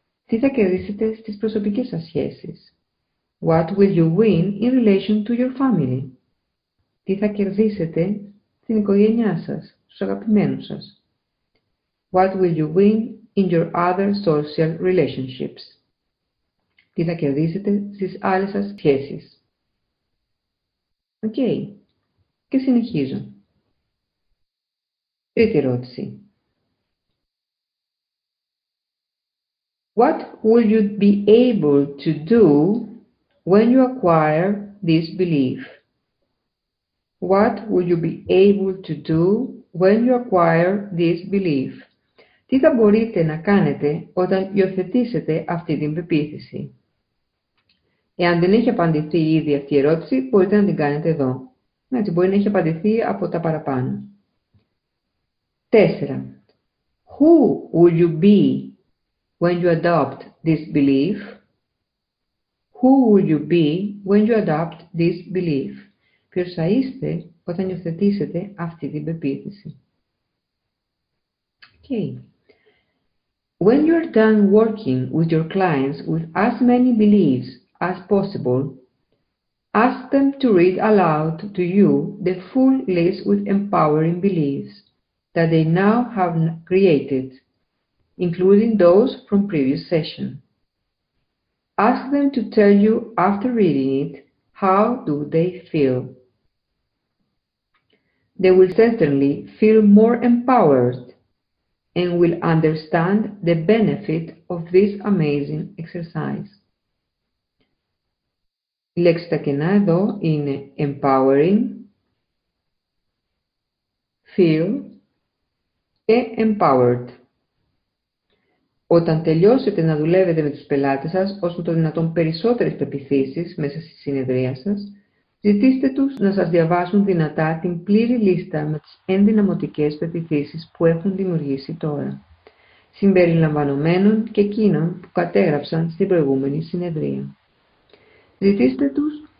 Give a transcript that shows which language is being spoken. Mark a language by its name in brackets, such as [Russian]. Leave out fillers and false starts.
[Greek] Τι θα κερδίσετε στις προσωπικές σας σχέσεις? [English] What will you win in relation to your family? [Greek] Τι θα κερδίσετε στην οικογένειά σας, στους αγαπημένους σας? [English] What will you win in your other social relationships? [Greek] Τι θα κερδίσετε στις άλλες σας σχέσεις? Οκ. Και συνεχίζω. Τρίτη ερώτηση. [English] What will you be able to do when you acquire this belief? What will you be able to do when you acquire this belief? [Greek] Τι θα μπορείτε να κάνετε όταν υιοθετήσετε αυτή την πεποίθηση? Εάν δεν έχει απαντηθεί ήδη αυτή η ερώτηση, μπορείτε να την κάνετε εδώ. Έτσι, μπορεί να έχει απαντηθεί από τα παραπάνω. 4. [English] Who will you be when you adopt this belief? Who will you be when you adopt this belief? [Greek] Ποιος θα είστε όταν υιοθετήσετε αυτή την πεποίθηση? Okay. [English] When you are done working with your clients with as many beliefs as possible, ask them to read aloud to you the full list with empowering beliefs that they now have created, including those from previous session. Ask them to tell you after reading it how do they feel. They will certainly feel more empowered and will understand the benefit of this amazing exercise. [Greek] Η λέξη τα κενά εδώ είναι empowering, feel και empowered. Όταν τελειώσετε να δουλεύετε με τους πελάτες σας, όσο το δυνατόν περισσότερες πεποιθήσεις μέσα στη συνεδρία σας, ζητήστε τους να σας διαβάσουν δυνατά την πλήρη λίστα με τις ενδυναμωτικές πεποιθήσεις που έχουν δημιουργήσει τώρα, συμπεριλαμβανομένων και εκείνων που κατέγραψαν στην προηγούμενη συνεδρία. Ζητήστε τους